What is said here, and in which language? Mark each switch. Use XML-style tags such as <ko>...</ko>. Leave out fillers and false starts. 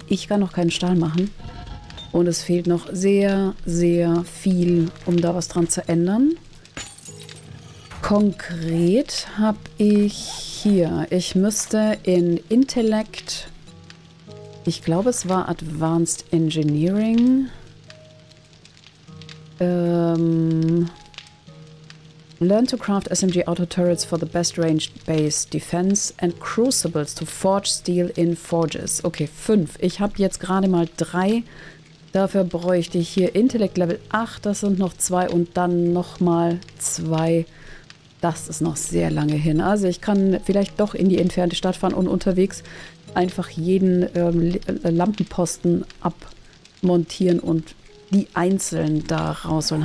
<de>Ich kann noch keinen Stahl machen. Und es fehlt noch sehr, sehr viel, um da was dran zu ändern. Konkret habe ich hier, ich müsste in Intellect, ich glaube, es war Advanced Engineering.</de> <en>Learn to craft SMG auto turrets for the best range-based defense and crucibles to forge steel in forges.</en> <de>Okay, 5. Ich habe jetzt gerade mal 3. Dafür bräuchte ich hier Intellect Level 8. Das sind noch 2 und dann nochmal 2. Das ist noch sehr lange hin. Also ich kann vielleicht doch in die entfernte Stadt fahren und unterwegs einfach jeden Lampenposten abmontieren und die einzeln da rausholen.</de>